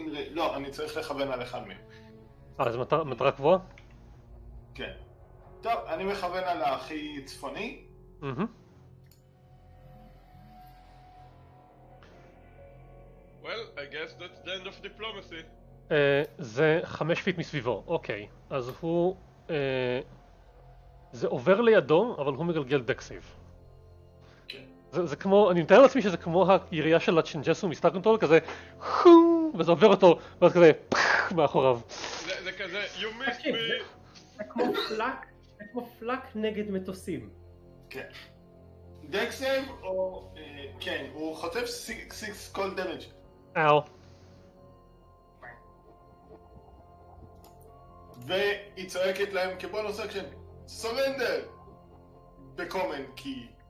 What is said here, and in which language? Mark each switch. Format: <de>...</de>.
<he>לא, אני צריך לכוון על אחד מהם. אז מטרה קבועה? כן. טוב, אני מכוון על הכי צפוני.</he> <en>Well, I guess that's the end of diplomacy.</en> <he>זה 5 פיט מסביבו, אוקיי. אז הוא... זה עובר לידו, אבל הוא מגלגל דקסיב. זה כמו, אני מתאר לעצמי שזה כמו העירייה של הצ'נג'סו מסטאר קונטרול, כזה חום, וזה עובר אותו, ואז כזה פח, מאחוריו. זה כזה,</he> <en>you missed me.</en> <he>זה כמו פלק נגד מטוסים. כן. דקסם או, כן, הוא חוטף 6 cold damage. אהו. והיא צועקת להם כבונוס אקשן סורנדר בקומן קי.</he>